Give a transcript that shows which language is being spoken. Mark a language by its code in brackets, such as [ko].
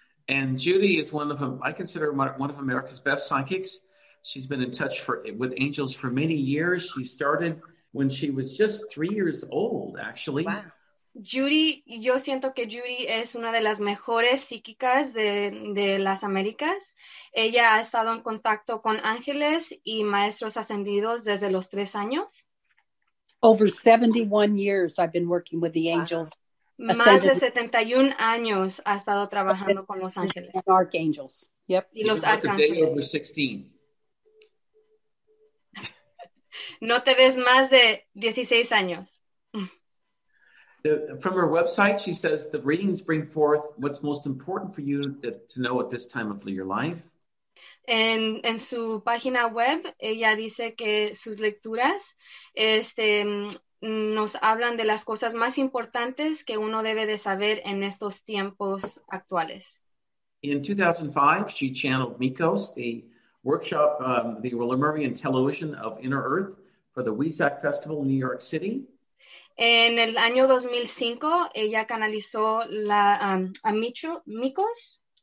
[en] And Judy is one of America's best psychics. She's been in touch with angels for many years. She started when she was just 3 years old, actually. Wow. [es] Judy, yo siento que Judy es una de las mejores psíquicas de las Américas. Ella ha estado en contacto con ángeles y maestros ascendidos desde los 3 años. [en] Over 71 years I've been working with the angels. Wow. [es] Más de 71 años ha estado trabajando con los ángeles. [en] And archangels. Yep. [es] Y los archangeles. [en] Over 16. [es] No te ves más de 16 años. [en] From her website, she says, the readings bring forth what's most important for you to know at this time of your life. [es] En su página web, ella dice que sus lecturas, nos hablan de las cosas más importantes que uno debe de saber en estos tiempos actuales. [en] In 2005, she channeled Mikos, the workshop, the Lemurian television of Inner Earth for the WISAC Festival in New York City. [es] En el año 2005, ella canalizó a Mikos.